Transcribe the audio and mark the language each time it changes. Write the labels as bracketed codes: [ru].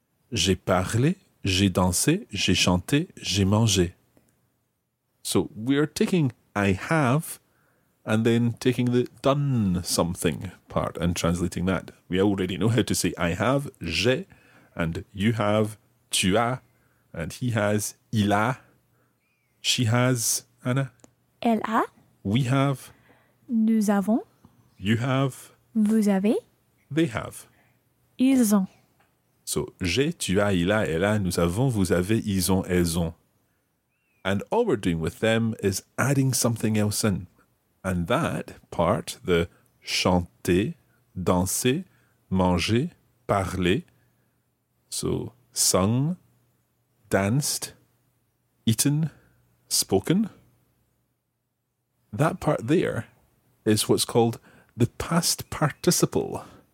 [fr] J'ai parlé, j'ai dansé, j'ai chanté, j'ai mangé. [en] So we are taking I have and then taking the done something part and translating that. We already know how to say I have, j'ai, and you have, [fr] tu as, [en] and he has, [fr] il a, [en] she has, Anna? [fr] Elle a. [en] We have. [fr] Nous avons. [en] You have. [fr] Vous avez. [en] They have. [fr] Ils ont. [en] So, [fr] j'ai, tu as, il a, elle a, nous avons, vous avez, ils ont, elles ont. [en] And all we're doing with them is adding something else in. And that part, the chanter, danser, manger, parler, so sung, danced, eaten, spoken, that part there is what's called the past participle.